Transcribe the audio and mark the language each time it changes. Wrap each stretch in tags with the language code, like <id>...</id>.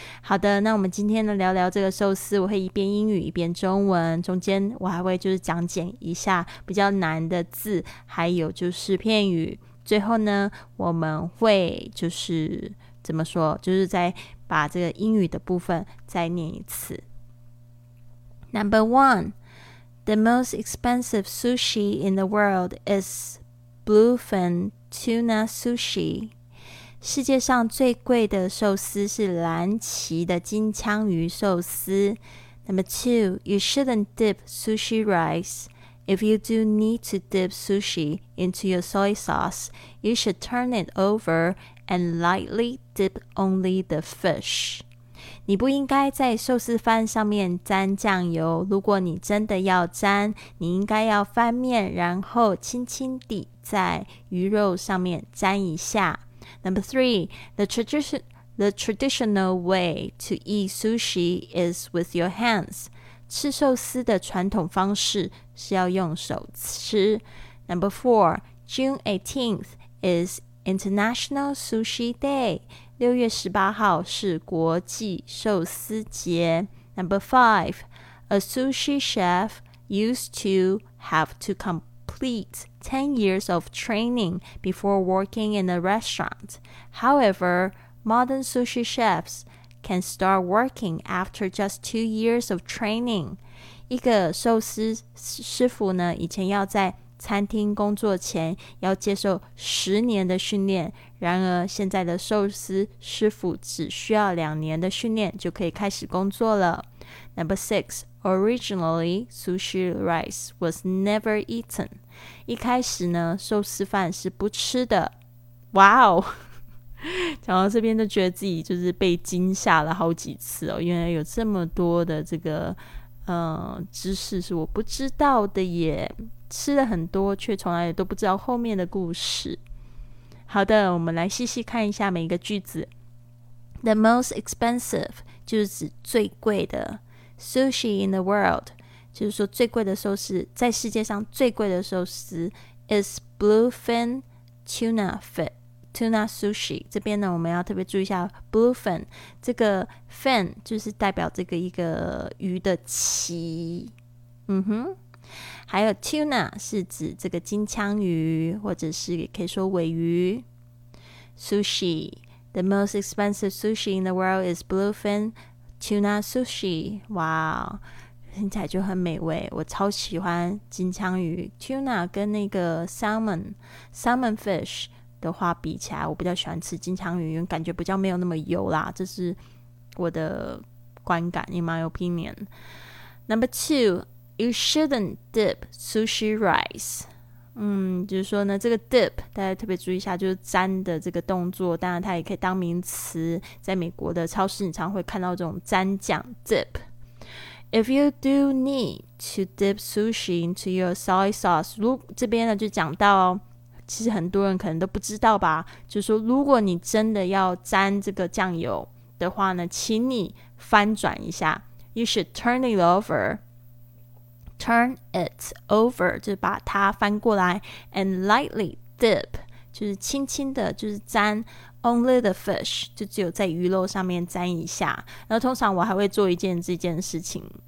<zh>好的，那我们今天呢聊聊这个寿司，我会一边英语一边中文，中间我还会就是讲解一下比较难的字，还有就是片语，最后呢我们会就是怎么说，就是再把这个英语的部分再念一次。</zh> <en>Number one, the most expensive sushi in the world is bluefin tuna sushi.</en> <zh>世界上最贵的寿司是蓝鳍的金枪鱼寿司。</zh> <en>Number two, you shouldn't dip sushi rice. If you do need to dip sushi into your soy sauce, you should turn it over and lightly dip only the fish.</en> <zh>你不应该在寿司饭上面沾酱油，如果你真的要沾，你应该要翻面，然后轻轻地在鱼肉上面沾一下。</zh> <en>Number three, the traditional way to eat sushi is with your hands.</en> <zh>吃寿司的传统方式是要用手吃。</zh> <en>Number four, June 18th is International Sushi Day.</en> <zh>6月18号是国际寿司节。</zh> <en>Number five, a sushi chef used to have to complete 10 years of training before working in a restaurant. However, modern sushi chefs can start working after just 2 years of training.</en> <zh>一个寿司师傅呢，以前要在餐厅工作前要接受十年的训练，然而现在的寿司师傅只需要两年的训练就可以开始工作了。</zh> <en>Number six, originally sushi rice was never eaten.</en> <zh>一开始呢寿司饭是不吃的。</zh> <en>Wow!</en> <zh>讲到这边都觉得自己就是被惊吓了好几次哦，原来有这么多的这个知识是我不知道的耶，吃了很多却从来都不知道后面的故事。好的，我们来细细看一下每一个句子。</zh> <en>The most expensive</en> <zh>就是指最贵的</zh> <en>sushi in the world</en> <zh>就是说最贵的寿司，在世界上最贵的寿司</zh> <en>is bluefin tuna fin tuna sushi。</en> <zh>这边呢我们要特别注意一下 bluefin， 这个 fin 就是代表这个一个鱼的鳍，嗯哼，还有 tuna 是指这个金枪鱼，或者是也可以说尾鱼。</zh> <en>Sushi, the most expensive sushi in the world is bluefin tuna sushi.</en> <zh>哇，听起来就很美味，我超喜欢金枪鱼。 tuna 跟那个 salmon fish 的话比起来，我比较喜欢吃金枪鱼，感觉比较没有那么油啦，这是我的观感，</zh> <en>in my opinion. Number two,You shouldn't dip sushi rice.</en> <zh>就是说呢，这个 dip 大家特别注意一下，就是沾的这个动作。当然，它也可以当名词。在美国的超市，你常会看到这种沾酱 dip.</zh> <en>If you do need to dip sushi into your soy sauce,</en> <zh>这边呢就讲到，其实很多人可能都不知道吧。就是说，如果你真的要沾这个酱油的话呢，请你翻转一下。</zh> <en>You should turn it over. turn it over</en> <zh>就是把它翻过来</zh> <en>and lightly dip</en> <zh>就是轻轻的就是沾</zh> <en>only the fish</en> <zh>就只有在鱼肉上面沾一下然后通常我还会做一件这件事情</zh>